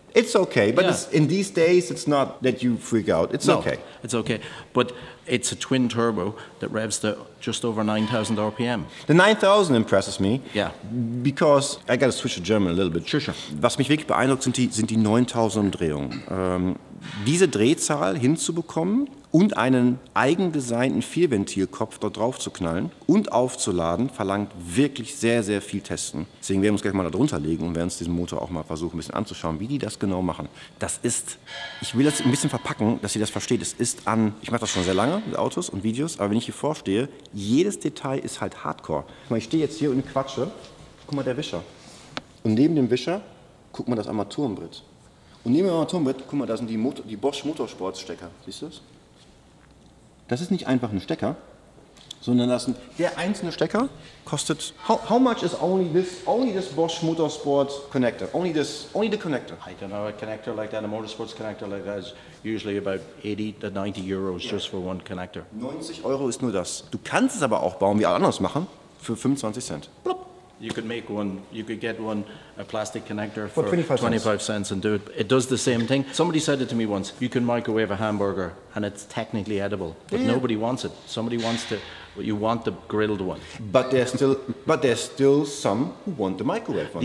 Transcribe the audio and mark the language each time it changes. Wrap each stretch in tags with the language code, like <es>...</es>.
<en>it's okay, but it's, in these days it's not that you freak out. It's okay. It's okay. But it's a twin turbo that revs to just over 9,000 RPM. The 9,000 impresses me. Yeah. Because I got to switch to German a little bit. Sure.</en> <de>Was mich wirklich beeindruckt sind die 9,000 Umdrehungen. Diese Drehzahl hinzubekommen und einen eigendesignten Vierventilkopf dort drauf zu knallen und aufzuladen, verlangt wirklich sehr, sehr viel Testen. Deswegen werden wir uns gleich mal da drunter legen und werden uns diesen Motor auch mal versuchen, ein bisschen anzuschauen, wie die das genau machen. Das ist, ich will das ein bisschen verpacken, dass ihr das versteht. Es ist an, ich mache das schon sehr lange mit Autos und Videos, aber wenn ich hier vorstehe, jedes Detail ist halt hardcore. Guck mal, ich stehe jetzt hier und quatsche. Guck mal, der Wischer. Und neben dem Wischer, guck mal, das Armaturenbrett. Und neben dem Armaturenbrett, guck mal, da sind die Bosch Motorsportstecker. Siehst du das? Das ist nicht einfach ein Stecker, sondern das ist der einzelne Stecker kostet.</de> <en>How much is only this Bosch Motorsport connector? Only the connector. I don't know, a connector like that, a motorsports connector like that is usually about 80 to 90 euros just for one connector.</en> <de>90 Euro ist nur das. Du kannst es aber auch bauen, wie alle anderes machen, für 25 Cent. Plop.</de> <en>You could make one, you could get one, a plastic connector for 25 cents and do it. It does the same thing. Somebody said it to me once, you can microwave a hamburger and it's technically edible, but nobody wants it. Somebody wants to, you want the grilled one. But there's still some who want the microwave one.</en>